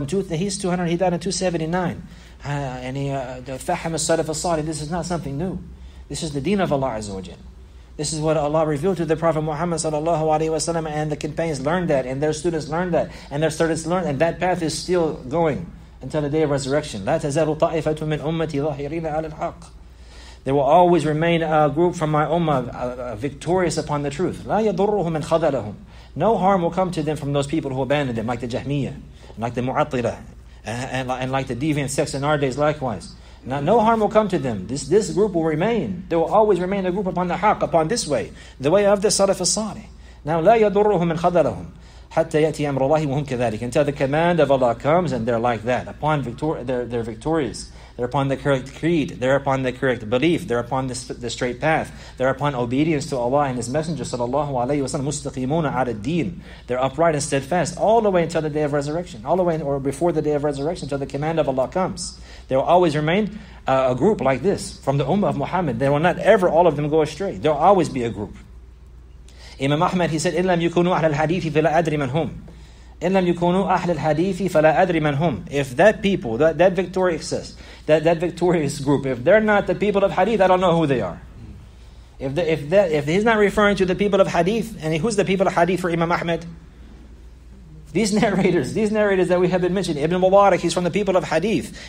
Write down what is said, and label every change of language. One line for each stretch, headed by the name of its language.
English: He's 200, he died in 279. The Fahim al-Salaf al-Salih, this is not something new. This is the deen of Allah Azza wa Jal. This is what Allah revealed to the Prophet Muhammad sallallahu alaihi wasallam, and the companions learned that, and their students learned that, and their students learned, and that path is still going until the day of resurrection.
Arabic: لا تزال طائفة من أمتي ظاهرين على الحق.
English: There will always remain a group from my ummah victorious upon the truth.
Arabic: لا يضرهم من خذلهم.
English: No harm will come to them from those people who abandoned them, like the Jahmiyyah, like the Mu'attila, and like the deviant sects in our days likewise. Now, no harm will come to them. This group will remain. There will always remain a group upon the haq, upon this way, the way of the Salaf al-Salih.
Arabic: Now, لا يضرهم من خذلهم. حتى يأتي أمر الله وهم كذلك.
English: Until the command of Allah comes and they're like that. Upon they're victorious. They're upon the correct creed. They're upon the correct belief. They're upon the straight path. They're upon obedience to Allah and His Messenger sallallahu alayhi wa sallam.
Arabic: مُسْتَقِيمُونَ عَلَى الدِّينِ.
English: They're upright and steadfast all the way until the day of resurrection. All the way or before the day of resurrection until the command of Allah comes. There will always remain a group like this from the ummah of Muhammad. They will not ever all of them go astray. There will always be a group. Imam Ahmad, he said,
Arabic: إِنْ لَمْ يُكُونُوا أَحْلَ الْحَدِيثِ فَلَا أَدْرِ مَنْ هُمْ. إِنْ لَمْ يُكُونُوا أَحْلَ الْحَدِيثِ فَلَا أَدْرِ مَنْ هُمْ.
English: If that people, that victorious, that victorious group, if they're not the people of Hadith, I don't know who they are. If he's not referring to the people of Hadith, and who's the people of Hadith for Imam Ahmad? These narrators that we have been mentioning, Ibn Mubarak, he's from the people of Hadith.